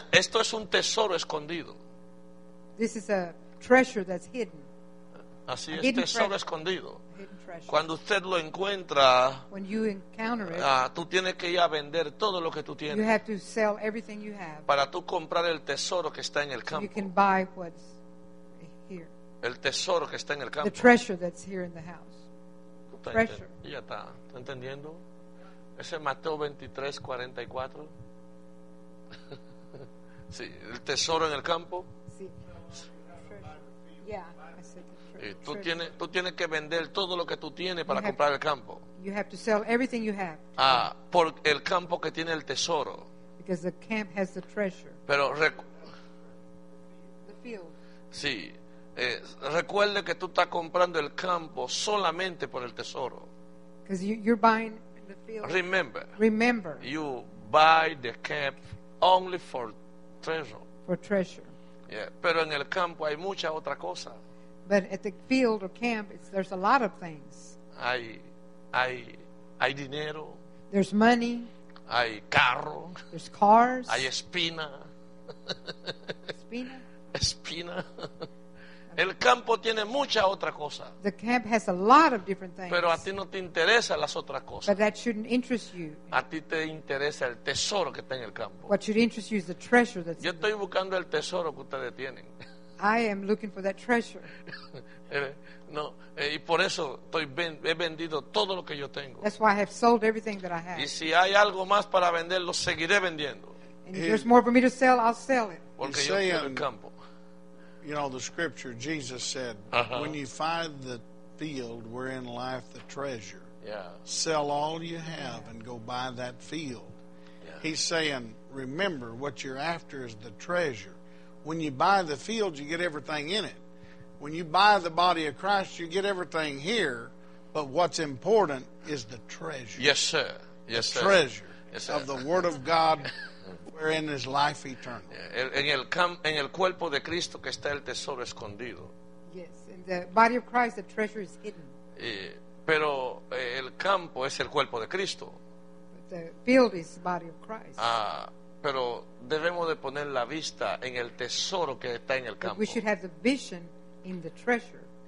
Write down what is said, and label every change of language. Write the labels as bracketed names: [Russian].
[Spanish] Esto es un tesoro escondido. [English] This is a treasure that's hidden. [Spanish] Así es, tesoro escondido. [English] Hidden treasure. [Spanish] Cuando usted lo encuentra, [English] when you encounter it, [Spanish] tú tienes que ir a vender todo lo que tú tienes. [English] You have to sell everything you have. [Spanish] Para tú comprar el tesoro que está en el campo. [English] So you can buy what's here. [Spanish] El tesoro que está en el campo. [English] The treasure that's here in the house. [Spanish] Treasure. Ya está. ¿Está entendiendo? Ese Mateo 23, 44. Sí, el tesoro en el campo. [English] Sí. Treasure. Yeah. [Spanish] Y tú tienes que vender todo lo que tú tienes para comprar el campo. [English] You have to sell everything you have. [Spanish] Por el campo que tiene el tesoro. [English] Because the camp has the treasure. [Spanish] Pero [English] the field. [Spanish] Sí. Recuerde que tú estás comprando el campo solamente por el tesoro. [English] Because you're buying the field. Remember. You buy the camp only for treasure. For treasure. Yeah. [Spanish] Pero en el campo hay mucha otra cosa. [English] But at the field or camp, there's a lot of things. [Spanish] Hay dinero. [English] There's money. [Spanish] Hay carro. [English] There's cars. [Spanish] Hay espina. Espina. Espina. Okay. El campo tiene mucha otra cosa. [English] The camp has a lot of different things. [Spanish] Pero a ti no te interesan las otras cosas. [English] But that shouldn't interest you. [Spanish] A ti te interesa el tesoro que está en el campo. [English] What should interest you is the treasure that's. [Spanish] Yo estoy buscando el tesoro que ustedes tienen. [English] I am looking for that treasure. [Spanish] No, y por eso he vendido todo lo que yo tengo. [English] That's why I have sold everything that I have. [Spanish] Y si hay algo más para vender, lo seguiré vendiendo. [English] And if there's more for me to sell, I'll sell it. [Spanish] Porque yo quiero el campo. [English] You know, the scripture Jesus said, uh-huh. When you find the field wherein lieth the treasure, yeah. Sell all you have and go buy that field. Yeah. He's saying, remember, what you're after is the treasure. When you buy the field, you get everything in it. When you buy the body of Christ, you get everything here. But what's important is the treasure. Yes, sir. Yes, sir. The treasure, yes, sir. Of the Word of God, wherein is life eternal. [Spanish] En el cuerpo de Cristo que está el tesoro escondido. [English] Yes, in the body of Christ, the treasure is hidden. [Spanish] Pero el campo es el cuerpo de Cristo. [English] But the field is the body of Christ. [Spanish] Pero debemos de poner la vista en el tesoro que está en el campo. [English] We should have the vision in the treasure.